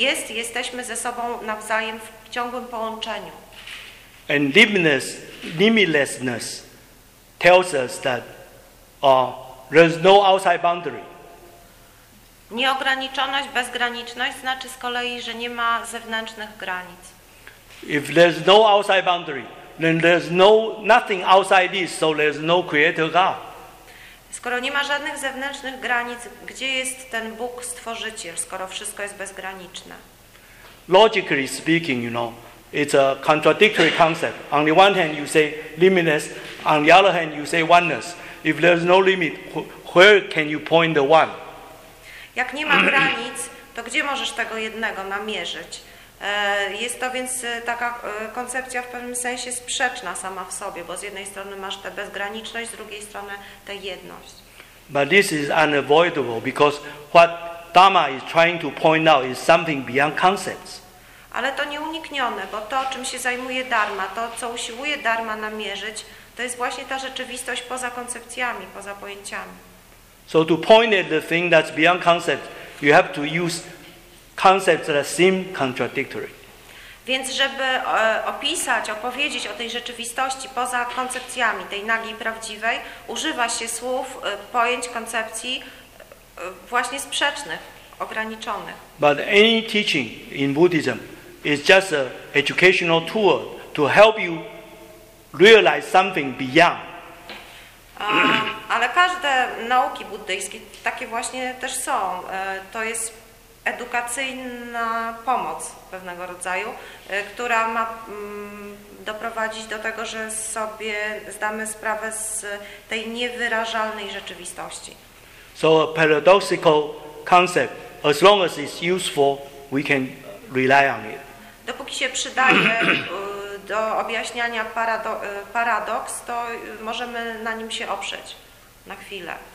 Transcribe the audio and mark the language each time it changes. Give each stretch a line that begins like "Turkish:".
Polish: Jesteśmy ze sobą nawzajem w ciągłym połączeniu.
English: And limitlessness tells us that there's no outside boundary.
Polish: Nieograniczoność, bezgraniczność znaczy z kolei, że nie ma zewnętrznych granic.
English: If there's no outside boundary, then there's nothing outside this, so there's no creator God.
Polish: Skoro nie ma żadnych zewnętrznych granic, gdzie jest ten Bóg Stworzyciel, skoro wszystko jest bezgraniczne?
English: Logically speaking, you know, it's a contradictory concept. On the one hand you say limitless, on the other hand you say oneness. If there's no limit, where can you point the one?
Polish: Jak nie ma granic, to gdzie możesz tego jednego namierzyć? Jest to więc taka koncepcja w pewnym sensie sprzeczna sama w sobie, bo z jednej strony masz tę bezgraniczność, z drugiej strony tę jedność.
English: But this is unavoidable because what Dhamma is trying to point out is something beyond concepts.
Polish: Ale to nieuniknione, bo to, czym się zajmuje Dharma, to, co usiłuje Dharma namierzyć, to jest właśnie ta rzeczywistość poza koncepcjami, poza pojęciami.
English: So to point at the thing that's beyond concepts, you have to use concepts that seem contradictory.
Polish: Więc żeby opisać, opowiedzieć o tej rzeczywistości poza koncepcjami, tej nagiej prawdziwej, używa się słów, pojęć, koncepcji właśnie sprzecznych, ograniczone.
English: But any teaching in Buddhism is just an educational tool to help you realize something beyond.
Polish: Ale każde nauki buddyjskie takie właśnie też są. To jest edukacyjna pomoc pewnego rodzaju, która ma doprowadzić do tego, że sobie zdamy sprawę z tej niewyrażalnej rzeczywistości.
English: So a paradoxical concept, as long as it's useful, we can rely on it.
Polish: Dopóki się przydaje do objaśniania paradoks, to możemy na nim się oprzeć na chwilę.